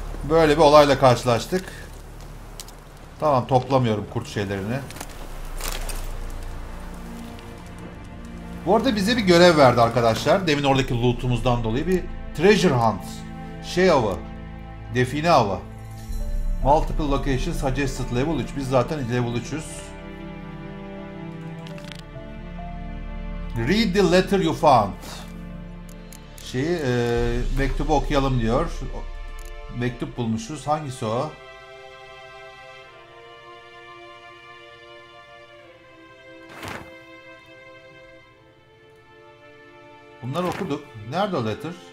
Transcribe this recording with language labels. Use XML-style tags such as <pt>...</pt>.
<tr>Böyle bir olayla karşılaştık. Tamam, toplamıyorum kurt şeylerini. Bu arada bize bir görev verdi arkadaşlar. Demin oradaki lootumuzdan dolayı bir treasure hunt. Şey avı. Define avı.</tr> <en>Multiple location suggested level 3.</en> <tr>Biz zaten level 3'üz.</tr> <en>Read the letter you found.</en> <tr>Şeyi mektubu okuyalım diyor. Mektup bulmuşuz. Hangisi o? Bunları okuduk. Nerede o letter?</tr>